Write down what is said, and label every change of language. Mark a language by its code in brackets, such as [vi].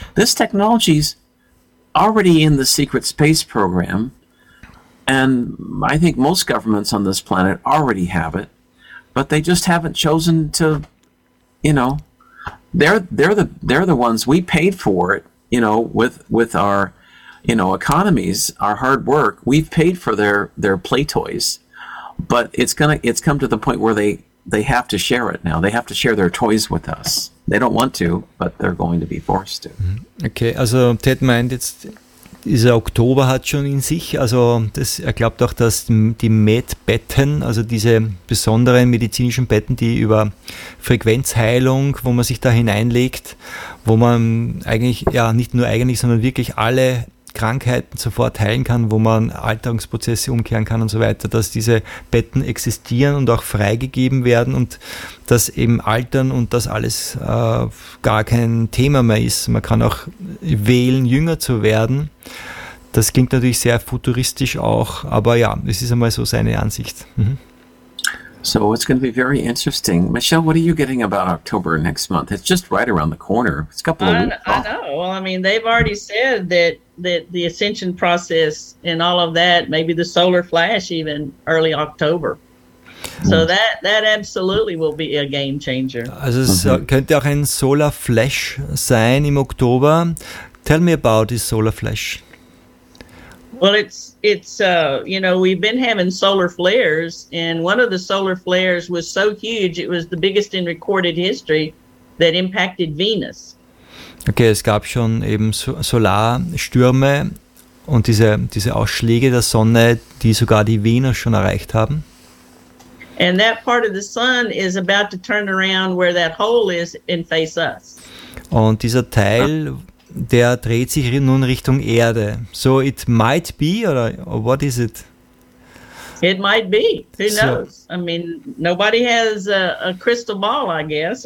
[en] This technology's already in the secret space program, and I think most governments on this planet already have it, but they just haven't chosen to, you know, they're the ones we paid for it. You know, with our, you know, economies, our hard work, we've paid for their play toys, but it's come to the point where they have to share it now. They have to share their toys with us. They don't want to, but they're going to be forced to. [de] Okay, also Ted meint jetzt, dieser Oktober hat schon in sich, also das, er glaubt auch, dass die Medbetten, also diese besonderen medizinischen Betten, die über Frequenzheilung, wo man sich da hineinlegt, wo man eigentlich, ja nicht nur eigentlich, sondern wirklich alle Krankheiten sofort heilen kann, wo man Alterungsprozesse umkehren kann und so weiter, dass diese Betten existieren und auch freigegeben werden und dass eben Altern und das alles gar kein Thema mehr ist. Man kann auch wählen, jünger zu werden. Das klingt natürlich sehr futuristisch auch, aber ja, es ist einmal so seine Ansicht. [en] So it's going to be very interesting. Michelle, what are you getting about October next month? It's just right around the corner. It's a couple of weeks. I know. Well, I mean, they've already said that the ascension process and all of that, maybe the solar flash even early October. So that absolutely will be a game changer. [de] Also es könnte auch ein Solar Flash sein im Oktober. [en] Tell me about this solar flash. Well, it's you know, we've been having solar flares, and one of the solar flares was so huge, it was the biggest in recorded history, that impacted Venus. [de] Okay, es gab schon eben Solarstürme und diese Ausschläge der Sonne, die sogar die Venus schon erreicht haben. [en] And that part of the sun is about to turn around where that hole is and face us. [de] Und dieser Teil... Der dreht sich nun Richtung Erde. [en] So it might be, or what is it? It might be. Who knows? I mean, nobody has a crystal ball, I guess.